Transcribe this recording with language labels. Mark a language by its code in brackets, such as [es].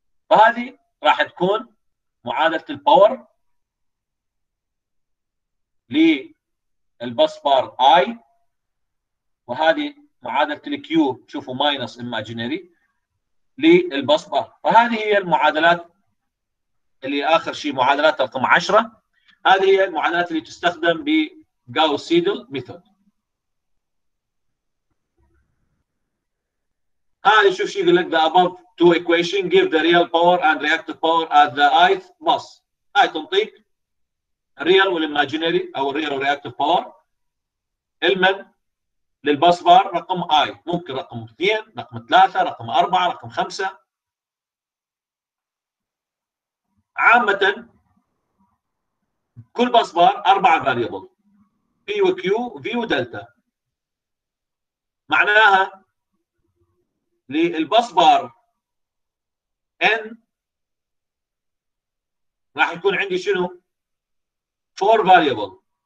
[ar] فهذه راح تكون معادلة الباور للبس بار I، وهذه معادلة الكيو شوفوا ماينس إماجينري للبس بار. فهذه هي المعادلات اللي آخر شيء معادلات رقم 10، هذه هي المعادلات اللي تستخدم بجاوس سيدل ميثود. هاي شوف شو يقول لك [en] the above two equation give the real power and reactive power at the ith bus. [ar] هاي تنطيك real والimaginary أو real reactive power المن للباس بار رقم I ممكن رقم 2 رقم 3 رقم 4 رقم 5 عامة كل باس بار 4 variable P و Q و V و دلتا معناها للباس بار N راح يكون عندي شنو 4 variable